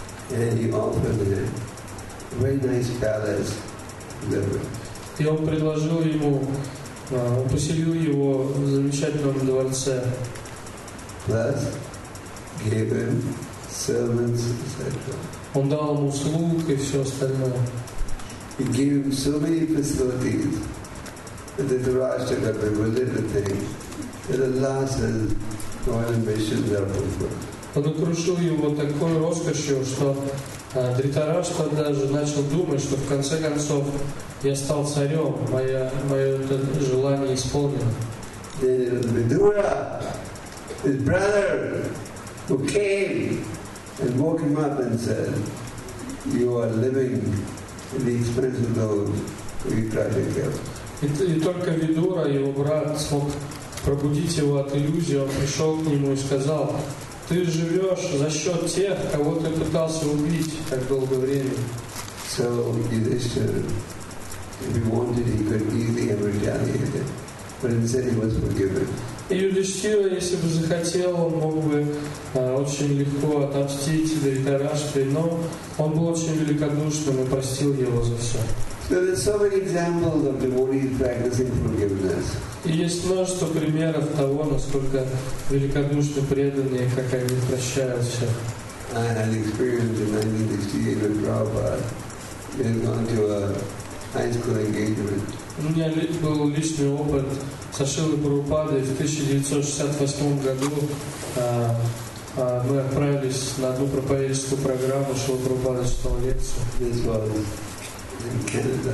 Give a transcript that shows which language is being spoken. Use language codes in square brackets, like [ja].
[ru] И он предложил ему. Он поселил его в замечательном дворце. [en] Plus, gave him servants, etc. [ru] Он дал ему слуг и все остальное. [en] He gave him so many facilities that the Dhritarashtra got bewildered with things. That at last his royal ambitions were fulfilled. [ru] Он окружил его такой роскошью, что Дхритарашта даже начал думать, что в конце концов я стал царем, мое это желание исполнено. [en] Vidura, his brother, who came and woke him up and said, "You are living in the experience of those who you tried to kill." [ru] И только Видура, его брат, смог пробудить его от иллюзии. Он пришел к нему и сказал: "Ты живешь за счет тех, кого ты пытался убить так долгое время." [en] So Yudhishthira, if he wanted, he could easily have retaliated, but instead he was forgiven. [ru] И Юдиштира, если бы захотел, он мог бы очень легко отомстить Дхритараштре, но он был очень великодушным и простил его за все. [en] So there are so many examples of devotees practicing forgiveness. [ru] И есть множество примеров того, насколько великодушны преданные, как они прощают все. [en] I had experience in 1968 with Prabhupada. He had gone to a high school engagement. [ru] У меня был личный опыт со Шрилой Прабхупадой. В 1968 году мы отправились на одну проповедческую программу Шрилы Прабхупады, читал лекцию.